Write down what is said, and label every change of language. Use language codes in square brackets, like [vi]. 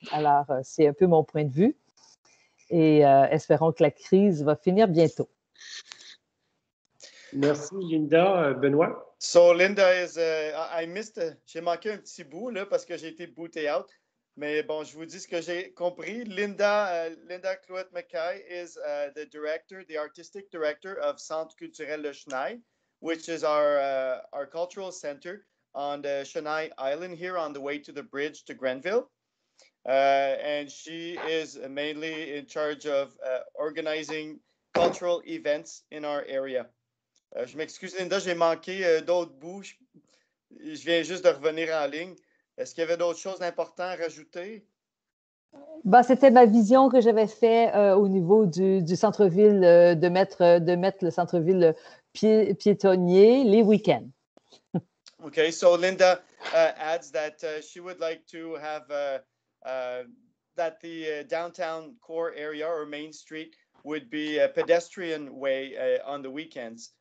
[fr] Alors, c'est un peu mon point de vue et espérons que la crise va finir bientôt. Merci, Linda. Benoît? So, Linda, j'ai manqué un petit bout là, parce que j'ai été « [en] booted out ». [fr] Mais bon, je vous dis ce que j'ai compris. [en] Linda Clouette-McKay is the director, the artistic director of Centre culturel Le Chenail, which is our cultural center on the Chenail Island here on the way to the bridge to Grenville. And she is mainly in charge of organizing cultural events in our area. [fr] Je m'excuse, Linda, j'ai manqué d'autres bouts. Je viens juste de revenir en ligne. Est-ce qu'il y avait d'autres choses importantes à rajouter? Ben, c'était ma vision que j'avais faite au niveau du centre-ville, de mettre le centre-ville piétonnier les week-ends. [en] OK, so Linda adds that she would like to have that the downtown core area or Main Street would be a pedestrian way on the weekends.